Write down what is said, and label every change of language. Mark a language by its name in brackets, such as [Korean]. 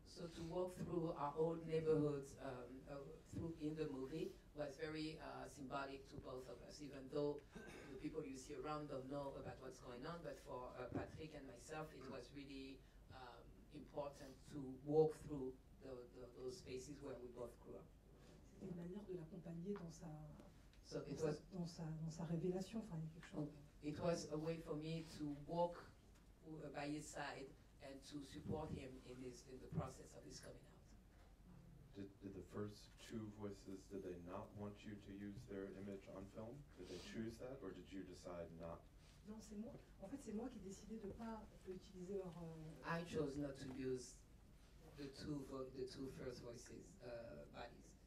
[English] So to walk through our old neighborhoods in the movie was very symbolic to both of us, even though the people you see around don't know about what's going on, but for Patrick and myself, it was really important to walk through those spaces where we both grew up. [French] C'était une manière de l'accompagner dans sa [English] so it was [French] dans sa révélation, enfin quelque chose. [English] It was a way for me to walk by his side and to support him in the process of his coming out. Did the first two voices, did they not want you to use their image on film? Did they choose that or did you decide not? [French] Non, c'est moi. En fait, c'est moi qui ai décidé de ne pas utiliser leur. [English] I chose not to use the two first voices, bodies.